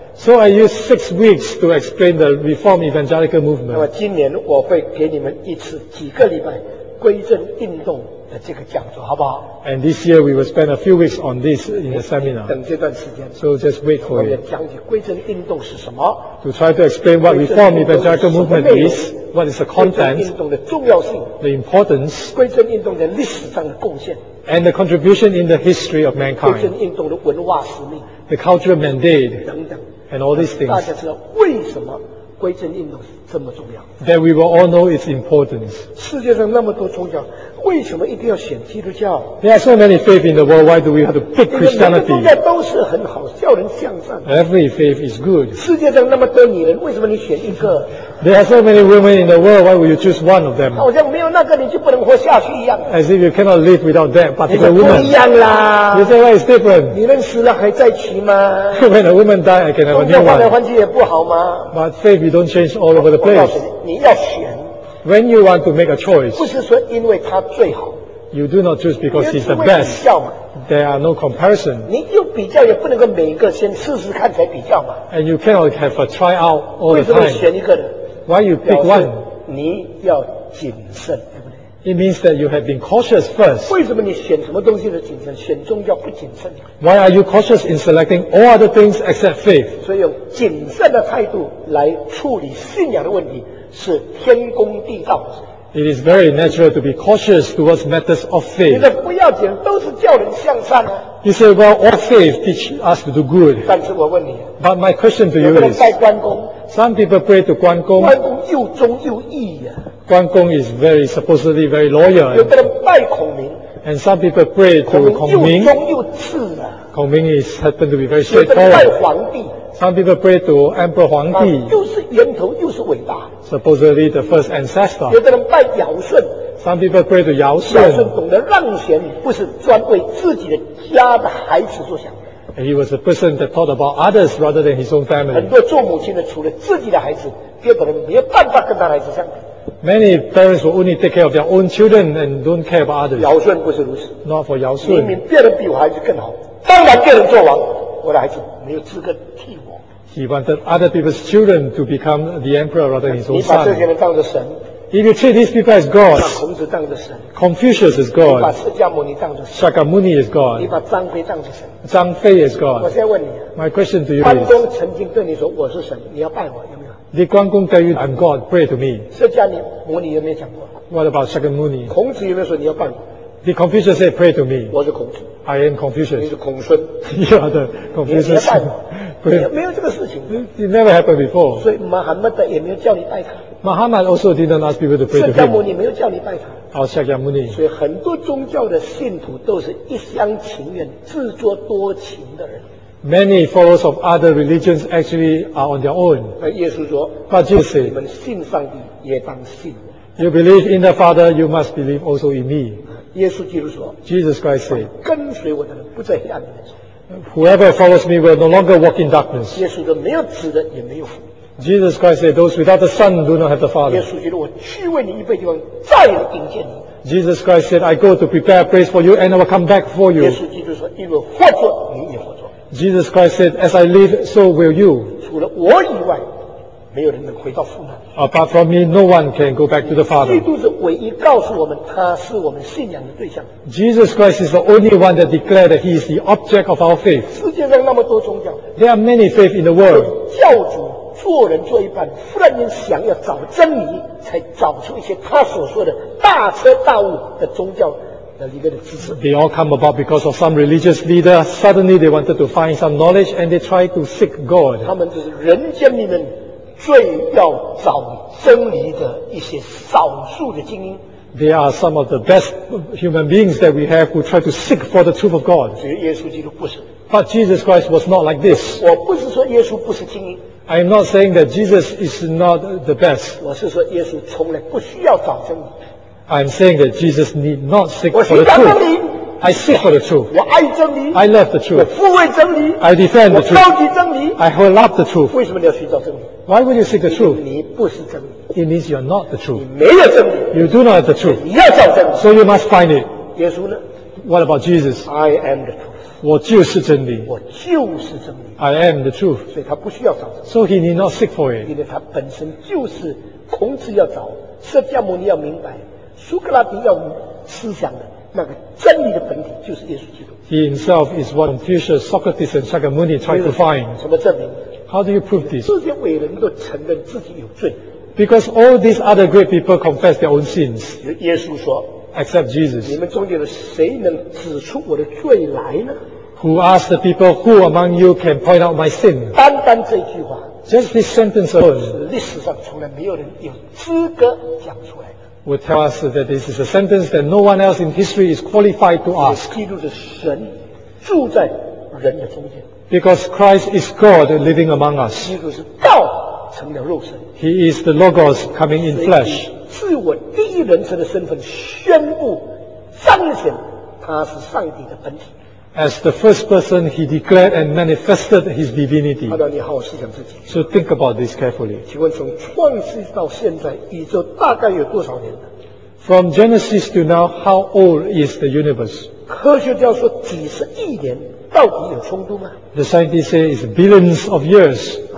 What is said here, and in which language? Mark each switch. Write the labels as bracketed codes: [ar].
[en] So I used 6 weeks to explain the Reform Evangelical Movement. [zh] 那么今年我会给你们一次几个礼拜归正运动的这个讲座，好不好 [en] ？And this year we will spend a few weeks on this in the seminar. [zh] 等这段时间。 [en] So just wait for it. [zh] 我们讲解归正运动是什么 [en] ？To try to explain what Reform Evangelical Movement is, what is the content? [zh] 归正运动的重要性。 [en] The importance. [zh] 归正运动在历史上的贡献。 [en] And the contribution in the history of mankind. [zh] 归正运动的文化使命。 [en] The cultural mandate. [zh] 等等。 [en] And all these things. [zh] 大家知道为什么归正运动这么重要 [en] ？That we will all know its importance. [zh] 世界上那么多宗教，为什么一定要选基督教 [en] ？There are so many faith in the world. Why do we have to pick Christianity? [zh] 每个宗教都是很好，叫人向上。 [en] Every faith is good. [zh] 世界上那么多女人，为什么你选一个 [en] ？There are so many women in the world. Why would you choose one of them? [zh] 好像没有那个你就不能活下去一样。 [en] As if you cannot live without that particular woman. [zh] 你不一样啦。 [en] You say why it's different? [zh] 女人死了还在娶吗 [en] ？When a woman die, I can have a new one. [zh] 宗教换来换去也不好吗 [en] ？But faith, you don't change all over the place. [zh] 你要选。 [en] When you want to make a choice, [zh] 不是说因为他最好。 [en] You do not choose because he's the best. There are no comparison. [zh] 你又比较也不能够每一个先试试看才比较嘛。 [en] And you cannot have a try out all the time. [zh] 为什么选一个呢？ [en] Why you pick one? [zh] 你要谨慎，对不对？ [en] It means that you have been cautious first. [zh] 为什么你选什么东西的谨慎？选宗教不谨慎。 [en] Why are you cautious in selecting all other things except faith? [zh] 所以用谨慎的态度来处理信仰的问题是天公地道的事。 [en] It is very natural to be cautious towards matters of faith. [zh] 你的不要紧，都是叫人向善啊。 [en] You say, well, all faith teach us to do good. [zh] 但是我问你， [en] But my question to you is, [zh] 拜关公， [en] Some people pray to 关公。 [zh] 关公又忠又义啊。 [en] 关公 is very supposedly very loyal. [zh] 有的人拜孔明。 [en] And some people pray to 孔明。 [zh] 孔明又忠又刺啊。 [en] 孔明 is happen to be very straightforward. [zh] 有的人拜皇帝。 [en] Some people pray to Emperor Huang Di. [zh] 又是源头又是伟大。 [en] Supposedly the first ancestor. [zh] 有的人拜尧舜。 [en] Some people pray to 尧舜。 [zh] 尧舜懂得让贤，不是专为自己的家的孩子着想。 [en] And he was a person that thought about others rather than his own family. [zh] 很多做母亲的除了自己的孩子，根本没有办法跟他孩子相比。 [en] Many parents will only take care of their own children and don't care about others. [zh] 尧舜不是如此。 [en] Not for 尧舜。 [zh] 明明别人比我孩子更好，当然别人做王，我的孩子没有资格替我。 [en] He wanted other people's children to become the emperor rather than his own son. [zh] 你把这些人当作神。 [en] If you treat these people as gods, [zh] 把孔子当作神。 [en] Confucius is God. [zh] 你把释迦牟尼当作神。 [en] Shakyamuni is God. [zh] 你把张飞当作神。 [en] 张飞 is God. [zh] 我现在问你。 [en] My question to you is, [zh] 关公曾经对你说我是神，你要拜我，有没有？ [en] Did 关公 tell you I'm God, pray to me? [zh] 释迦牟尼有没有讲过？ [en] What about Shakyamuni? [zh] 孔子有没有说你要拜我？ [en] Did Confucius say pray to me? [zh] 我是孔子。 [en] I am Confucius. [zh] 你是孔孙。 [en] You are the Confucius. [zh] 你要拜我。没有没有这个事情。 [en] It never happened before. [zh] 所以穆罕默德也没有叫你拜他。 [en] Muhammad also didn't ask people to pray to him. [zh] 释迦牟尼没有叫你拜他。好，释迦牟尼。所以很多宗教的信徒都是一厢情愿、自作多情的人。 [en] Many followers of other religions actually are on their own. [zh] 耶稣说， [en] But Jesus said, [zh] 你们信上帝也当信。 [en] You believe in the Father, you must believe also in me. [zh] 耶稣基督说， [en] Jesus Christ said, [zh] 跟随我的人不在黑暗里面。 [en] Whoever follows me will no longer walk in darkness. [zh] 耶稣说没有子的也没有父。 [en] Jesus Christ said, those without the Son do not have the Father. [zh] 耶稣基督我去为你预备地方，再来迎接你。 [en] Jesus Christ said, I go to prepare a place for you and I will come back for you. [zh] 耶稣基督说因为活着你也活着。 [en] Jesus Christ said, as I live, so will you. [zh] 除了我以外，没有人能回到父那里。 [en] Apart from me, no one can go back to the Father. [zh] 基督是唯一告诉我们他是我们信仰的对象。 [en] Jesus Christ is the only one that declared that he is the object of our faith. [zh] 世界上那么多宗教， [en] There are many faith in the world. [zh] 教主做人做一半，忽然间想要找真理，才找出一些他所说的大彻大悟的宗教。 [en] They all come about because of some religious leader. Suddenly they wanted to find some knowledge and they tried to seek God. [zh] 他们就是人间里面最要找真理的一些少数的精英。 [en] They are some of the best human beings that we have who try to seek for the truth of God. [zh] 只是耶稣基督不是。 [en] But Jesus Christ was not like this. [zh] 我不是说耶稣不是精英。 [en] I am not saying that Jesus is not the best. [zh] 我是说耶稣从来不需要找真理。 [en] I'm saying that Jesus need not seek for the truth. I seek for the truth. [zh] 我爱真理。 [en] I love the truth. [zh] 我护卫真理。 [en] I defend the truth. [zh] 我高举真理。 [en] I hold up the truth. [zh] 为什么你要寻找真理？ [en] Why would you seek the truth? [zh] 你不是真理。 [en] It means you are not the truth. [zh] 你没有真理。 [en] You do not have the truth. [zh] 你要找真理。 [en] So you must find it. [zh] 耶稣呢？ [en] What about Jesus? I am the truth. [zh] 我就是真理。我就是真理。 [en] I am the truth. [zh] 所以他不需要找。 [en] So he need not seek for it. [zh] 因为他本身就是孔子要找，释迦牟尼要明白，苏格拉底要思想的那个真理的本体就是耶稣基督。 [en] He himself is what Confucius, Socrates, and Shakyamuni tried to find. [zh] 什么证明？ [en] How do you prove this? [zh] 这些伟人都承认自己有罪。 [en] Because all these other great people confess their own sins. [zh] 耶稣说， [en] Except Jesus. [zh] 你们中间的谁能指出我的罪来呢？ [en] Who asked the people who among you can point out my sin? [zh] 单单这句话， [en] Just this sentence alone. [zh] 历史上从来没有人有资格讲出来。 [en] Will tell us that this is a sentence that no one else in history is qualified to ask. [zh] 基督是神，住在人的中间。 [en] Because Christ is God living among us. [zh] 基督是道成了肉身。 [en] He is the Logos coming in flesh. [zh] 自我第一人称的身份宣布彰显他是上帝的本体。 [en] As the first person, he declared and manifested his divinity. So think about this carefully. From Genesis to now, how old is the universe? The scientists say it's billions of years.